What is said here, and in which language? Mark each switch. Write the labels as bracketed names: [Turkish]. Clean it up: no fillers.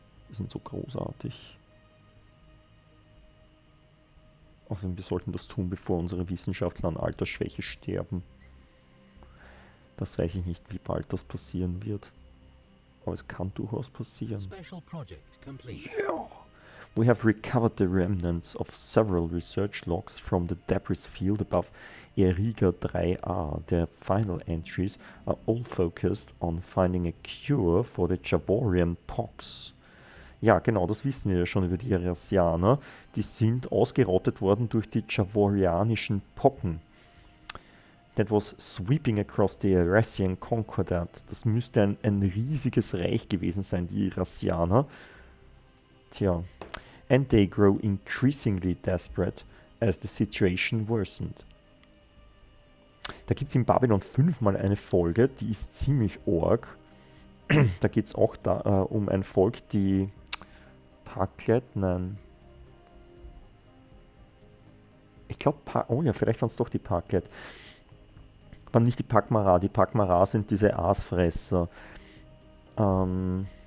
[German] Die sind so großartig. Außerdem, wir sollten das tun, bevor unsere Wissenschaftler an Altersschwäche sterben. Das weiß ich nicht, wie bald das passieren wird. Aber es kann durchaus passieren. [English] Special project complete. Yeah. We have recovered the remnants of several research logs from the debris field above Eriga 3A. The final entries are all focused on finding a cure for the Javorian Pox. [German] Ja, genau, das wissen wir ja schon über die Irassianer. Die sind ausgerottet worden durch die Javorianischen Pocken. [English] That was sweeping across the Irassian Concordat. [German] Das müsste ein riesiges Reich gewesen sein, die Irassianer. [English] Tja, and they grow increasingly desperate as the situation worsened. [German] Da gibt es in Babylon 5 mal eine Folge, die ist ziemlich org. Da geht es auch da, um ein Volk, die Paklet, nein. Ich glaube, oh ja, vielleicht waren es doch die Paklet. Waren nicht die Pakmara, die Pakmara sind diese Aasfresser. Um,